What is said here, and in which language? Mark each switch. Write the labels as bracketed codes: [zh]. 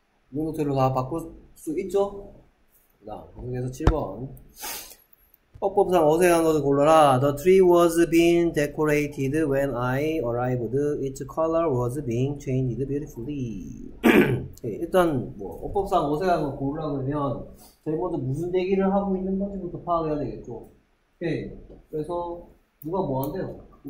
[ko] 능동태로 다 바꿀 수 있죠? 자, 계속해서 7번. 어법상 어색한 것을 골라라. [en] The tree was being decorated when I arrived. Its color was being changed beautifully. [ko] 일단 뭐 어법상 어색한 것을 골라라 그러면 제일 먼저 무슨 얘기를 하고 있는 건지부터 파악해야 되겠죠. 오케이. 그래서 누가 뭐 한대요?